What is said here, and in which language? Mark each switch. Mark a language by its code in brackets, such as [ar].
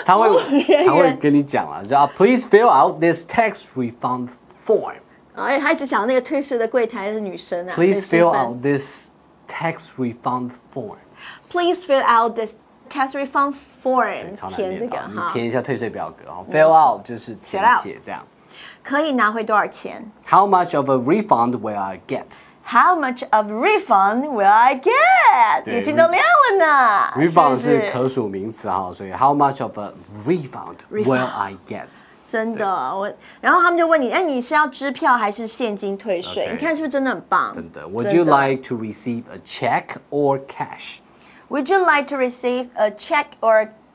[zh] 他会跟你讲了，叫 [en] Please fill out this tax refund form。 [zh] 哎，他一直想那个退税的柜台是女生啊。 [en] Please fill out this. Tax refund form. Please fill out this tax refund form. [zh] 填这个哈，你填一下退税表格。 Fill out 就是填写这样。可以拿回多少钱 [en] ？How much of a refund will I get? How much of refund will I get? [zh] 眼睛都亮了呢。 Refund 是可数名词哈，所以 [en] How much of a refund will I get? [zh] 真的，然后他们就问你，你是要支票还是现金退税？ Okay, 你看是不是真的很棒？真的 [en] ，Would you like to receive a check or cash? Would you like to receive a check or